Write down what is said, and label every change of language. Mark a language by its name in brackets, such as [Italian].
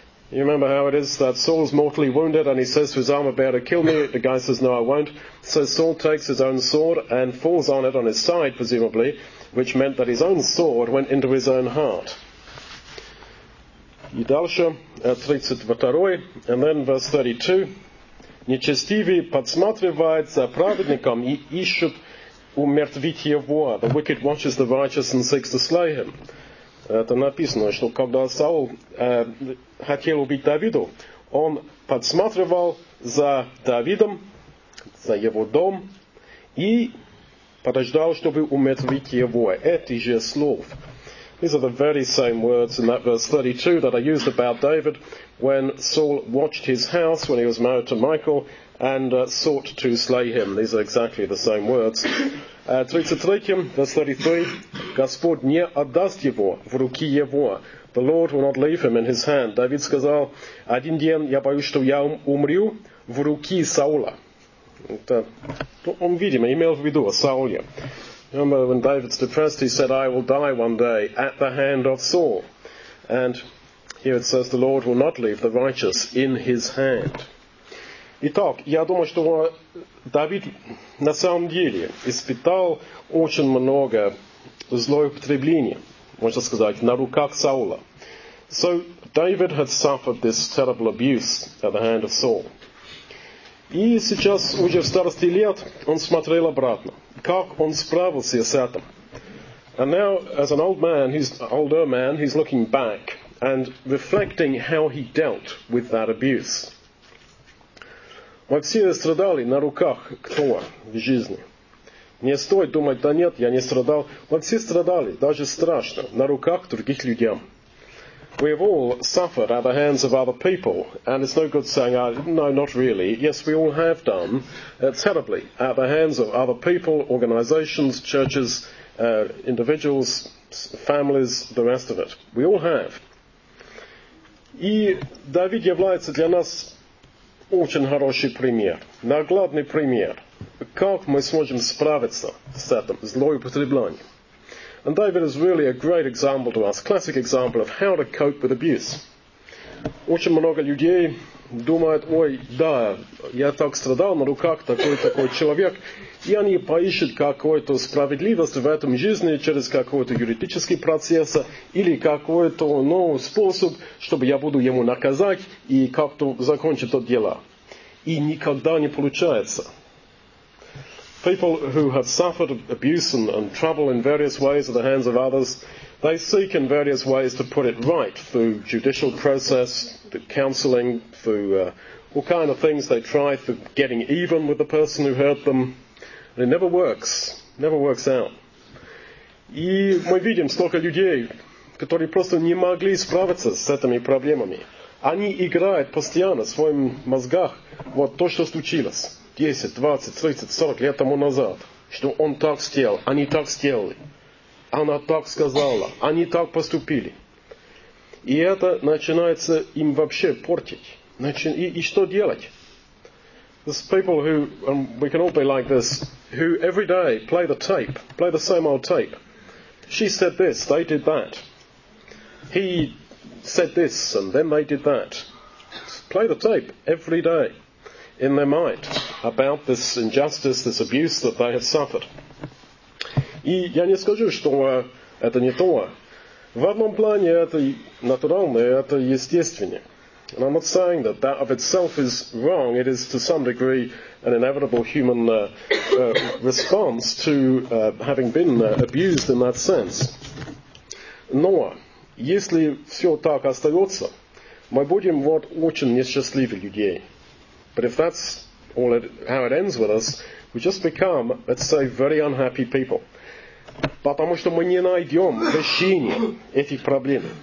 [English] You remember how it is that Saul is mortally wounded and he says to his armor bearer, kill me. The guy says, no, I won't. So Saul takes his own sword and falls on it on his side, presumably, which meant that his own sword went into his own heart. [Russian] И дальше, [English] 32, and then verse 32. [Russian] Нечестивый подсматривает за праведником и ищет умертвить его. [English] The wicked watches the righteous and seeks to slay him. [Russian] Это написано, что когда Саул хотел убить Давида, он подсматривал за Давидом, за его дом, и подождал, чтобы умертвить его. Эти же слова. [English] These are the very same words in that verse 32 that I used about David when Saul watched his house when he was married to Michael and sought to slay him. These are exactly the same words. 33, verse 33, [Russian] Господь не отдаст его в руки его. [English] The Lord will not leave him in his hand. [Russian] David сказал, один день я боюсь, что я умру в руки Саула. Это, он, видимо, имел в виду о Сауле. [English] Remember when David's depressed, he said, I will die one day at the hand of Saul. And here it says, the Lord will not leave the righteous in his hand. [Russian] Итак, я думаю, что Давид на самом деле испытал очень много злоупотребления, можно сказать, на руках Саула. [English] So David had suffered this terrible abuse at the hand of Saul. [Russian] И сейчас уже в старости лет он смотрел обратно, как он справился с этим. [English] And now, as an old man, he's an older man, he's looking back and reflecting how he dealt with that abuse. [Russian] Мы все страдали на руках, кто в жизни. Не стоит думать, да нет, я не страдал. Мы все страдали, даже страшно, на руках других людям. [English] We've all suffered at the hands of other people, and it's no good saying, no, not really. Yes, we all have done, terribly, at the hands of other people, organizations, churches, individuals, families, the rest of it. We all have. [Russian] И Давид является для нас очень хороший пример, наглядный пример, как мы сможем справиться с этим злоупотреблением. [English] And David is really a great example to us, classic example of how to cope with abuse. [Russian] Очень много людей думают, ой, да, я так страдал на руках, такой-такой человек, и они поищут какую-то справедливость в этом жизни через какой-то юридический процесс или какой-то новый способ, чтобы я буду ему наказать и как-то закончить это дело. И никогда не получается. [English] People who have suffered abuse and trouble in various ways at the hands of others, they seek in various ways to put it right through judicial process, through counseling, through all kind of things they try, for getting even with the person who hurt them. But it never works. Never works out. [Russian] И мы видим столько людей, которые просто не могли справиться с этими проблемами. Они играют постоянно в своих мозгах вот то, что случилось. 10, 20, 30, 40 лет тому назад, что он так сделал, они так сделали, она так сказала, они так поступили. И это начинается им вообще портить. И что делать? [English] There's people who, and we can all be like this, who every day play the tape, play the same old tape. She said this, they did that. He said this, and then they did that. Play the tape every day in their mind about this injustice, this abuse that they have suffered. [Russian] И я не скажу, что это не то. В одном плане это натурально, это естественно. [English] And I'm not saying that that of itself is wrong. It is to some degree an inevitable human response to having been abused in that sense. [Russian] Но если все так остается, мы будем вот очень несчастливы людей. [English] But if that's all it, how it ends with us, we just become, let's say, very unhappy people. [Russian] Потому что мы не найдем решения этих проблем.